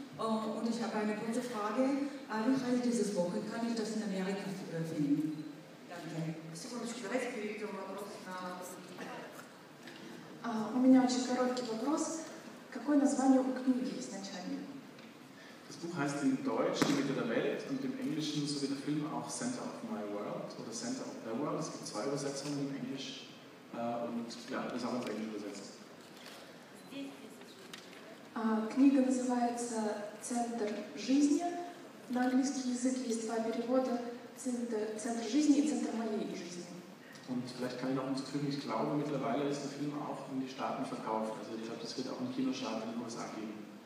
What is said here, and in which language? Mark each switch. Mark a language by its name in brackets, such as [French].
[German] Und ich habe eine kurze Frage. Wie heißt dieses Buch? Kann ich das in Amerika finden? [Russian] У меня очень короткий вопрос. Какое название у книги изначально? [German] Das Buch heißt in Deutsch Die Mitte der Welt und im Englischen so wie der Film auch Center of My World oder Center of the World. Es gibt zwei Übersetzungen im Englisch und ja, das haben wir auf Englisch übersetzt. [Russian] Книга называется Центр жизни. На английский язык есть два перевода. Центр жизни и центр моей жизни. И, может, я еще не знаю, но, [German] mittlerweile ist der Film auch in die Staaten verkauft. Also, ich glaube, das wird auch im Kinostart in den USA geben.